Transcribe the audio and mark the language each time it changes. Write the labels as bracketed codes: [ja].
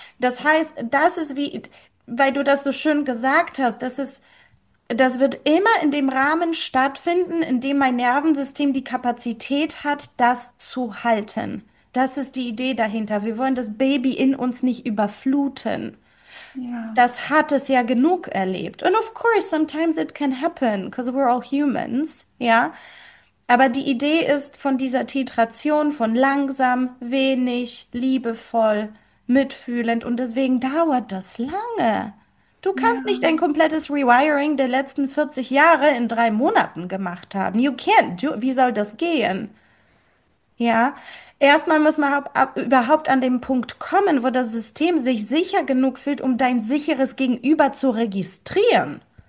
[de] Das heißt, das ist wie, weil du das so schön gesagt hast, das ist. Das wird immer in dem Rahmen stattfinden, in dem mein Nervensystem die Kapazität hat, das zu halten. Das ist die Idee dahinter. Wir wollen das Baby in uns nicht überfluten. Ja. Das hat es ja genug erlebt. [en] And of course, sometimes it can happen, because we're all humans, ja. [de] Aber die Idee ist von dieser Titration von langsam, wenig, liebevoll, mitfühlend. Und deswegen dauert das lange. Du kannst nicht Ja. ein komplettes Rewiring der letzten 40 Jahre in 3 Monaten gemacht haben. [en] You can't do, [de] wie soll das gehen? Ja, erstmal muss man überhaupt an den Punkt kommen, wo das System sich sicher genug fühlt, um dein sicheres Gegenüber zu registrieren.